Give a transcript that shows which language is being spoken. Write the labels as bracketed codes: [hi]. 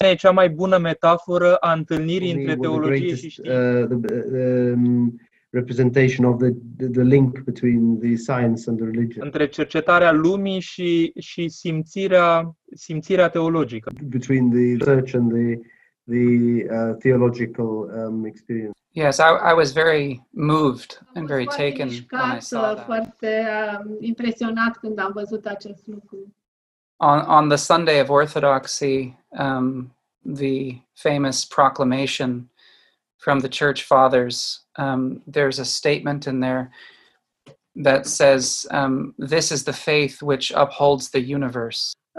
[ro] E cea mai bună metaforă a întâlnirii între teologie și știință. [en] Representation of the link between the science and the religion. [ro] Între cercetarea lumii și simțirea teologică. [en] Between the research and the theological experience. Yes, I was very moved and very taken when I saw that. [ro] Foarte impresionat când am văzut acest lucru. [en] On the Sunday of Orthodoxy, the famous proclamation from the Church Fathers, there's a statement in there that says, this is the faith which upholds the universe.